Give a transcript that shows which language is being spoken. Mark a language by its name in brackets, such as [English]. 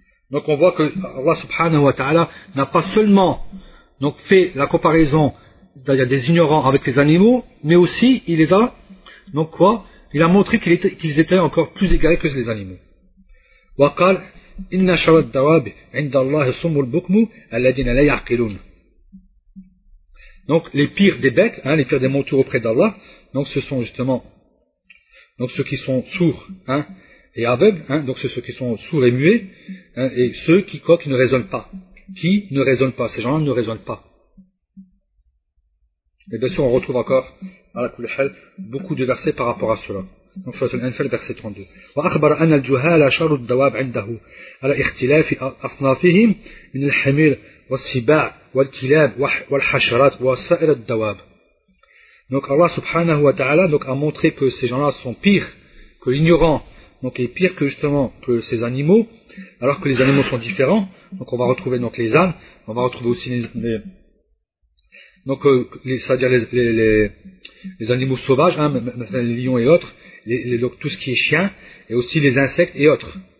[French] Donc on voit que Allah subhanahu wa ta'ala n'a pas seulement donc fait la comparaison, c'est-à-dire des ignorants avec les animaux, mais aussi il les a, donc quoi, il a montré qu'ils étaient encore plus égarés que les animaux. [Arabic] وقال إن شر الدواب عند الله صم البكم الذين لا يعقلون. [French] Donc les pires des bêtes, les pires des montures auprès d'Allah, donc ce sont justement donc ceux qui sont sourds, et aveugles, donc ceux qui sont sourds et muets, et ceux qui croient qu'ils ne raisonnent pas, qui ne raisonnent pas, ces gens-là ne raisonnent pas. Et bien sûr, on retrouve encore à la Kulhal beaucoup de versets par rapport à cela. Donc, Surat al-Anfal, verset 32. [Arabic] وأخبر أن الجهال شر الدواب عنده على اختلاف أصنافهم من الحمير والسباع والكلاب والحشرات وسائر الدواب. [French] Donc Allah subhanahu wa ta'ala donc a montré que ces gens-là sont pires que l'ignorant, donc est pire que justement que ces animaux, alors que les animaux sont différents. Donc on va retrouver donc les ânes, on va retrouver aussi les donc c'est-à-dire les animaux sauvages, hein, les lions et autres, les donc tout ce qui est chien et aussi les insectes et autres.